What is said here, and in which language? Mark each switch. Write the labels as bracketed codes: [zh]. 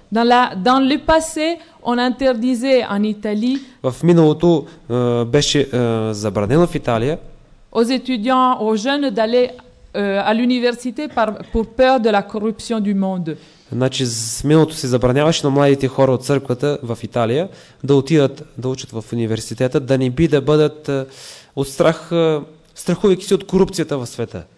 [fr] Dans le passé, on interdisait en Italie. [bg] В миналото беше забранено в Италия. [fr] Aux étudiants, aux jeunes d'aller à l'université pour peur de la corruption du monde. [bg] Значи, с миналото се забраняваше на младите хора от църквата в Италия да отидат да учат в университета, да не би да бъдат от страх, страхувайки се от корупцията в света.